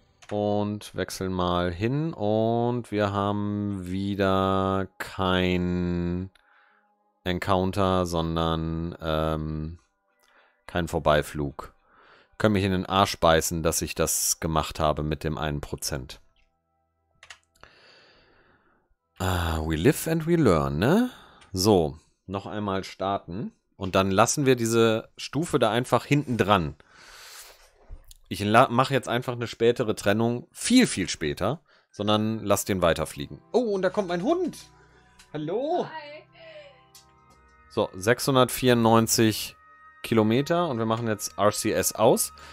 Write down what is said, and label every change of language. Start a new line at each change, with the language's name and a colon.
German: Und wechseln mal hin. Und wir haben wieder kein Encounter, sondern kein Vorbeiflug. Können mich in den Arsch beißen, dass ich das gemacht habe mit dem 1%.
English: Ah, we live and we learn, ne?
German: So, noch einmal starten. Und dann lassen wir diese Stufe da einfach hinten dran. Ich mache jetzt einfach eine spätere Trennung. Viel, viel später. Sondern lass den weiterfliegen. Oh, und da kommt mein Hund. Hallo. So, 694 Kilometer. Und wir machen jetzt RCS aus.